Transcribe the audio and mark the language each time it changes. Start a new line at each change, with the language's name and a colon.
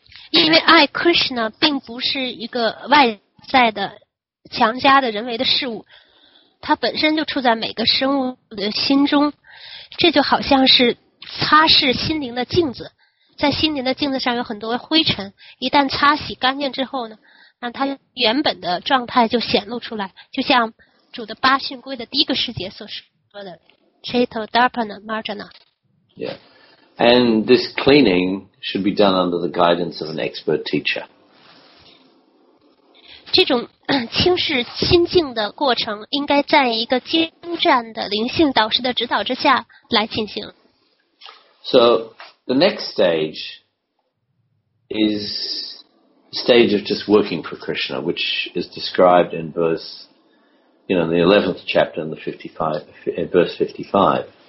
Chinese: 因为爱 Krishna 并不是一个外在的强加的人为的事物，它本身就处在每个生物的心中，这就好像是擦拭心灵的镜子，在心灵的镜子上有很多灰尘，一旦擦洗干净之后呢，那它原本的状态就显露出来，就像主的八训规的第一个师姐所说的Chaito Dharpana Marjana. Yeah.
English: And this cleaning should be done under the guidance of an expert teacher.
Chinese: 这种清洗心境的过程应该在一个精湛的灵性导师的指导之下来进行。
English: So, the next stage is the stage of just working for Krishna, which is described in verse you know, in the 11th chapter, in the 55, verse 55.